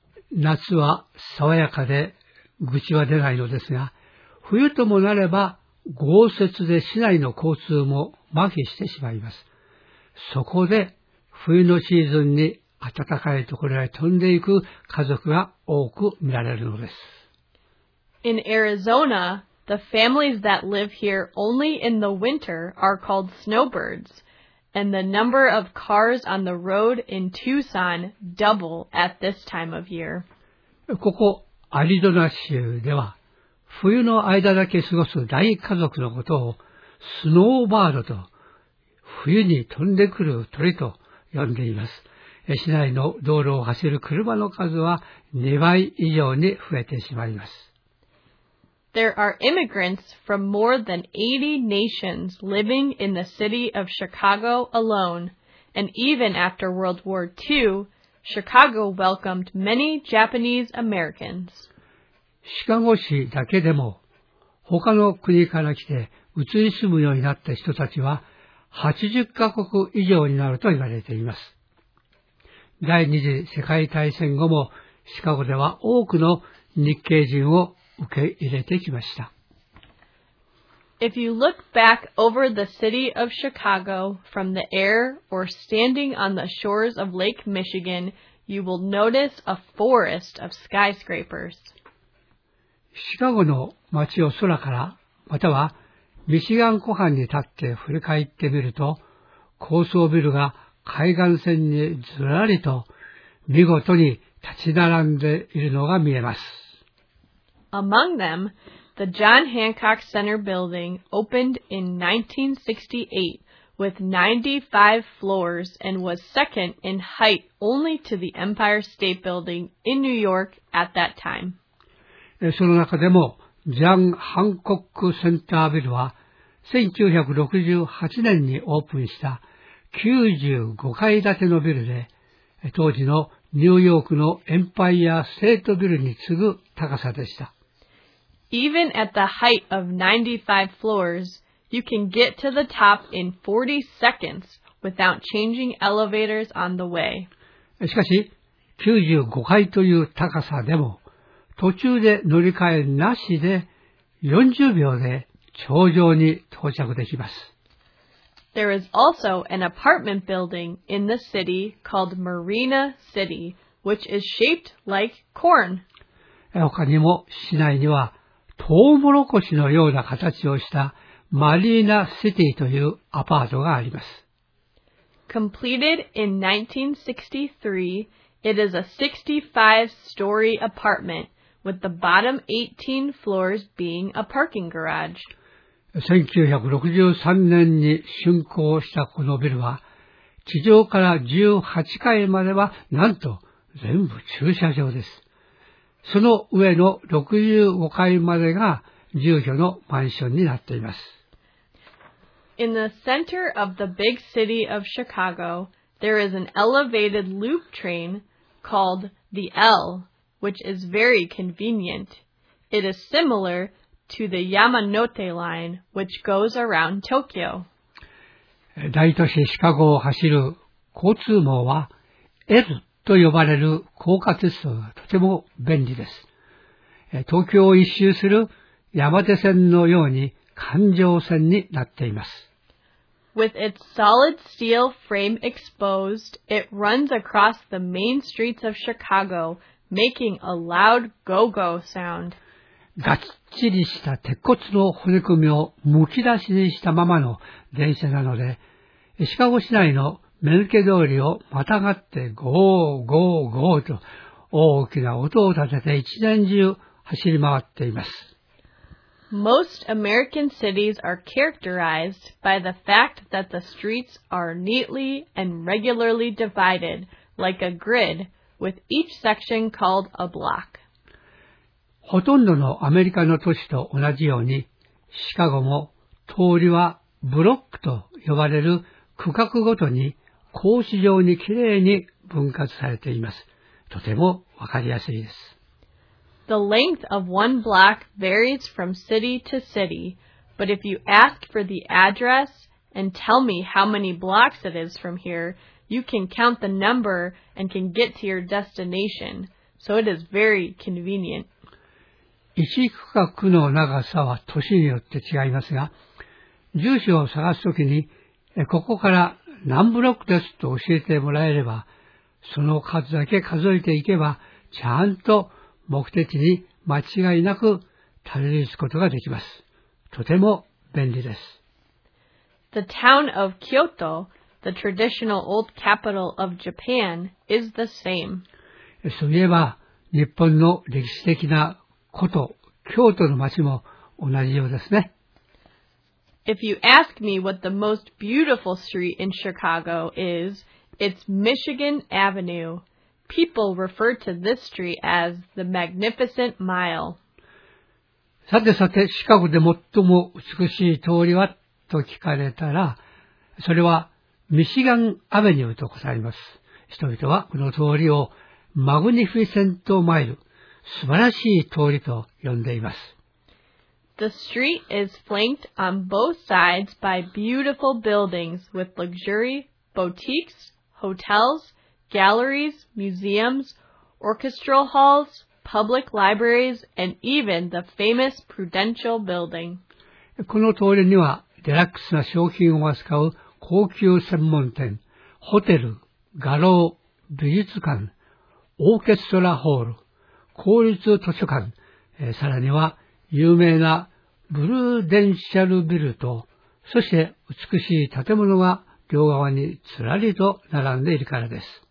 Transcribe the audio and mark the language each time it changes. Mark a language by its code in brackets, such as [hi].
[ja] 夏は爽やかで愚痴は出ないのですが、冬ともなれば豪雪で市内の交通も麻痺してしまいます。そこで冬のシーズンに暖かいところへ飛んでいく家族が多く見られるのです。 [en] In Arizona, the families that live here only in the winter are called snowbirds, and the number of cars on the road in Tucson double at this time of year. [ja] ここアリゾナ州では、冬の間だけ過ごす大家族のことをスノーバードと、冬に飛んでくる鳥と呼んでいます。市内の道路を走る車の数は2倍以上に増えてしまいます。 [en] There are immigrants from more than 80 nations living in the city of Chicago alone. And even after World War II, Chicago welcomed many Japanese Americans. [ja] シカゴ市だけでも、他の国から来て移り住むようになった人たちは80カ国以上になると言われています。第二次世界大戦後も、シカゴでは多くの日系人を受け入れてきました。 [en] If you look back over the city of Chicago from the air or standing on the shores of Lake Michigan, you will notice a forest of skyscrapers. [ja] シカゴの街を空から、またはミシガン湖畔に立って振り返ってみると、高層ビルが海岸線にずらりと見事に立ち並んでいるのが見えます。 [en] Among them, the John Hancock Center building opened in 1968 with 95 floors and was second in height only to the Empire State Building in New York at that time. [ja] その中でも、ジャン・ハンコック・センタービルは1968年にオープンした95階建てのビルで、当時のニューヨークのエンパイア・ステート・ビルに次ぐ高さでした。 [en] Even at the height of 95 floors, You can get to the top in 40 seconds without changing elevators on the way. [ja] しかし、95階という高さでも、途中で乗り換えなしで40秒で頂上に到着できます。 [en] There is also an apartment building in the city called Marina City, which is shaped like corn. [ja] 他にも市内にはトウモロコシのような形をしたマリーナシティというアパートがあります。 [en] Completed in 1963, it is a 65-story apartment, with the bottom 18 floors being a parking garage. [ja] 1963年に竣工したこのビルは、地上から18階まではなんと全部駐車場です。その上の65階までが住居のマンションになっています。 [en] In the center of the big city of Chicago, there is an elevated loop train called the L, which is very convenient. It is similar to the Yamanote line, which goes around Tokyo. [ja] 大都市シカゴを走る交通網は L と呼ばれる高架鉄道がとても便利です。東京を一周する山手線のように環状線になっています。 [en] With its solid steel frame exposed, it runs across the main streets of Chicago, making a loud go-go sound. [ja] がっちりした鉄骨の骨組みをむき出しにしたままの電車なので、シカゴ市内のメルケ通りをまたがってゴーゴーゴーと大きな音を立てて一年中走り回っています。 [en] Most American cities are characterized by the fact that the streets are neatly and regularly divided, like a grid, with each section called a block. [ja] ほとんどのアメリカの都市と同じように、シカゴも通りはブロックと呼ばれる区画ごとに格子状にきれいに分割されています。とてもわかりやすいです。 [en] The length of one block varies from city to city, but if you ask for the address and tell me how many blocks it is from here, you can count the number and can get to your destination. So it is very convenient. [ja] 一区画の長さは都市によって違いますが、住所を探すときに、ここから何ブロックですと教えてもらえれば、その数だけ数えていけば、ちゃんと目的に間違いなくたどり着くことができます。とても便利です。 [en] The town of Kyoto, the traditional old capital of Japan, is the same. [ja] そういえば、日本の歴史的な古都、京都の街も同じようですね。 [en] If you ask me what the most beautiful street in Chicago is, it's Michigan Avenue. People refer to this street as the Magnificent Mile. [ja] さてさて、シカゴで最も美しい通りはと聞かれたら、それはミシガンアベニューと答えます。人々はこの通りをマグニフィセントマイル、素晴らしい通りと呼んでいます。 [en] The street is flanked on both sides by beautiful buildings with luxury, boutiques, hotels,galleries, museums, orchestral halls, public libraries, and even the famous Prudential Building. [ja] この通りにはデラックスな商品を扱う高級専門店、ホテル、画廊、美術館、オーケストラホール、公立図書館、さらには有名なプルーデンシャルビルと、そして美しい建物が両側にずらりと並んでいるからです。